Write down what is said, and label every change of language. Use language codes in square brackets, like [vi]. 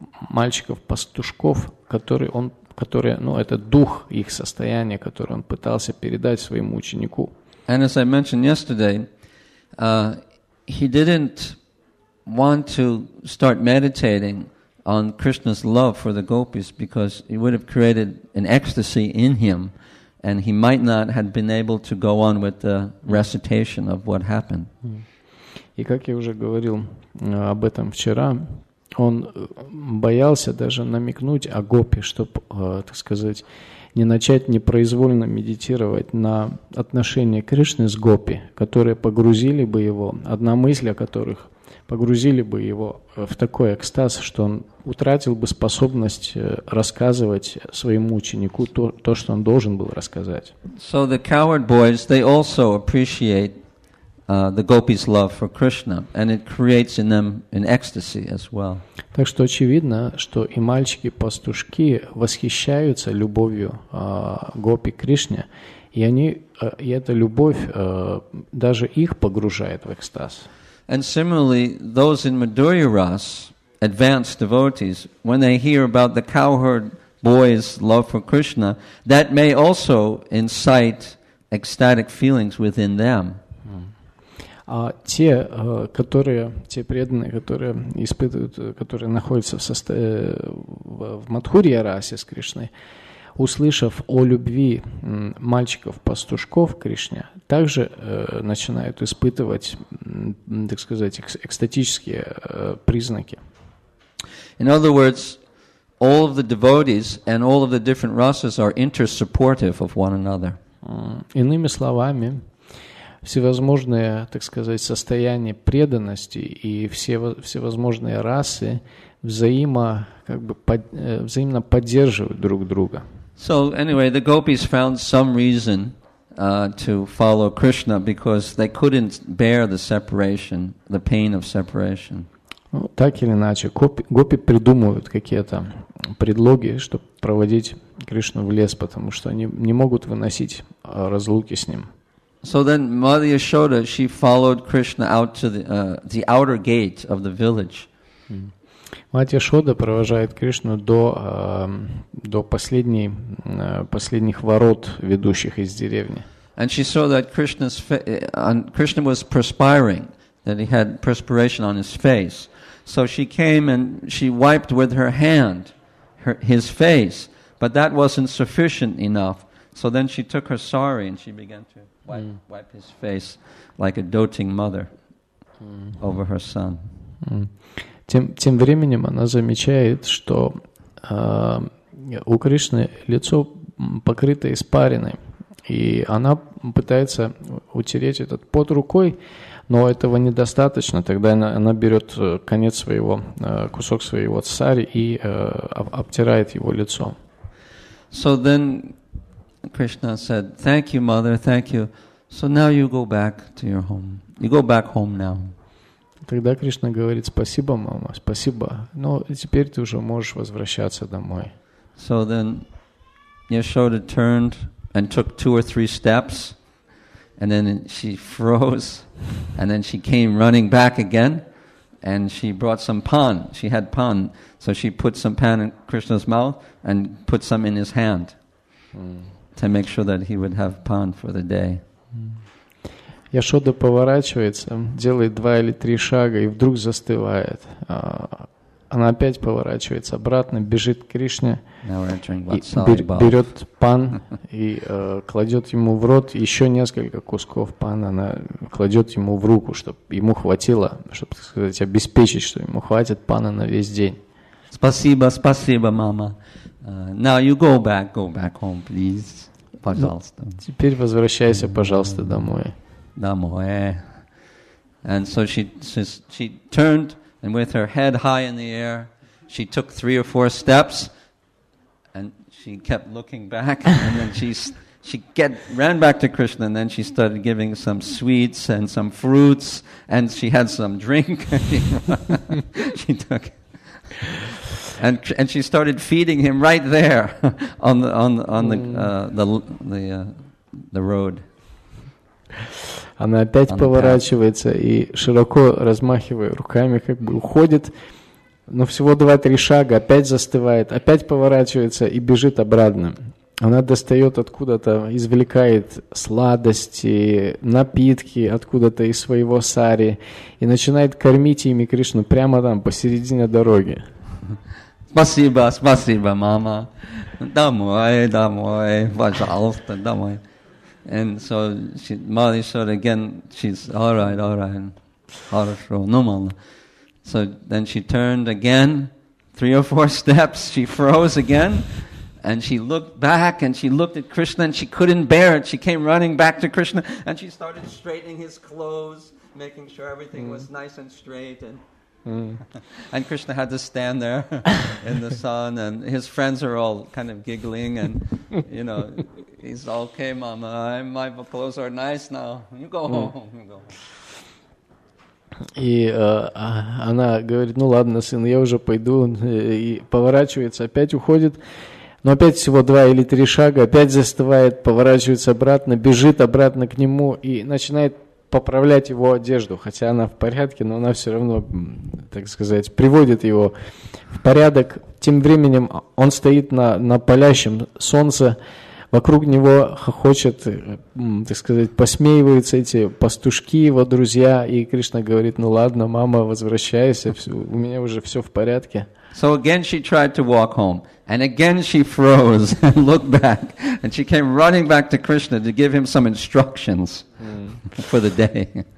[ru] Мальчиков-пастушков, это дух их состояния, который он пытался передать своему ученику. [en] And as I mentioned yesterday, he didn't want to start meditating on Krishna's love for the gopis because it would have created an ecstasy in him and he might not have been able to go on with the recitation of what happened. [ru] И как я уже говорил об этом вчера, он боялся даже намекнуть о гопи, чтобы, так сказать, не начать непроизвольно медитировать на отношения Кришны с гопи, которые погрузили бы его, одна мысль о которых погрузили бы его в такой экстаз, что он утратил бы способность рассказывать своему ученику то, что он должен был рассказать. [en] So the coward boys, they also appreciate the gopis' love for Krishna, and it creates in them an ecstasy as well. [ru] Так что очевидно, что и мальчики-пастушки восхищаются любовью гопи Кришне, и они и эта любовь даже их погружает в экстаз. [en] And similarly, those in Madhurya-ras, advanced devotees, when they hear about the cowherd boy's love for Krishna, that may also incite ecstatic feelings within them. [ru] А те, которые, те преданные, которые испытывают, которые находятся в Мадхурья-расе с Кришной, услышав о любви мальчиков-пастушков Кришне, также начинают испытывать, так сказать, экстатические признаки. [en] In other words, all of the devotees and all of the different rasas are inter-supportive of one another. [ru] Иными словами, всевозможные, так сказать, состояния преданности и всевозможные расы взаимно поддерживают друг друга. [en] So anyway, the gopis found some reason to follow Krishna because they couldn't bear the separation, the pain of separation. [ru] Ну, так или иначе, гопи придумывают какие-то предлоги, чтобы проводить Кришну в лес, потому что они не могут выносить разлуки с ним. [en] So then Mother Yashoda, she followed Krishna out to the outer gate of the village. [ru] Мать Яшода провожает Кришну до последних ворот, ведущих из деревни. [en] And she saw that Krishna was perspiring, that he had perspiration on his face. So she came and she wiped with her hand his face, but that wasn't sufficient enough. So then she took her sari and she began to wipe his face like a doting mother over her son. [ru] Тем временем она замечает, что у Кришны лицо покрыто испариной, и она пытается утереть этот пот рукой, но этого недостаточно. Тогда она берет конец своего, кусок своего сари и обтирает его лицо. [en] So then Krishna said, "Thank you, mother, thank you. So now you go back to your home. You go back home now." [ru] Тогда Кришна говорит: «Спасибо, мама, спасибо. Но теперь ты уже можешь возвращаться домой». [en] So then Yashoda turned and took two or three steps, and then she froze, and then she came running back again, and she brought some pan. She had pan, so she put some pan in Krishna's mouth and put some in his hand to make sure that he would have pan for the day. [ru] Яшода поворачивается, делает два или три шага и вдруг застывает. Она опять поворачивается обратно, бежит к Кришне, берет пан и кладет ему в рот еще несколько кусков пана. Она кладет ему в руку, чтобы ему хватило, чтобы, так сказать, обеспечить, что ему хватит пана на весь день. Спасибо, спасибо, мама. [en] Now you go back home, please. [ru] Пожалуйста. Ну, теперь возвращайся, пожалуйста, домой. Домой. [en] And so she turned and with her head high in the air, she took three or four steps and she kept looking back and then she ran back to Krishna and then she started giving some sweets and some fruits and she had some drink. She took and she started feeding him right there on the road. [ru] Она опять поворачивается и, широко размахивая руками, как бы уходит, но всего 2-3 шага, опять застывает, опять поворачивается и бежит обратно. Она достает откуда-то, извлекает сладости, напитки откуда-то из своего сари и начинает кормить ими Кришну прямо там, посередине дороги. Спасибо, спасибо, мама. Домой, домой, пожалуйста, домой. [en] And so Mother Yashoda again, she's all right. No mama. So then she turned again, three or four steps, she froze again, and she looked back and she looked at Krishna and she couldn't bear it. She came running back to Krishna and she started straightening his clothes, making sure everything was nice and straight. And and Krishna had to stand there in the sun, and his friends are all kind of giggling, and you know, he's okay, mama. My clothes are nice now. You go home. You go home. [ru] И она говорит: "Ну ладно, сын, я уже пойду." И поворачивается, опять уходит. Но опять всего 2 или 3 шага, опять застывает, поворачивается обратно, бежит обратно к нему и начинает поправлять его одежду, хотя она в порядке, но она все равно, так сказать, приводит его в порядок. Тем временем он стоит на палящем солнце, вокруг него хохочет, так сказать, посмеиваются эти пастушки, его друзья, и Кришна говорит: "Ну ладно, мама, возвращайся, у меня уже все в порядке." [en] So again she tried to walk home, and again she froze and looked back, and she came running back to Krishna to give him some instructions for the day.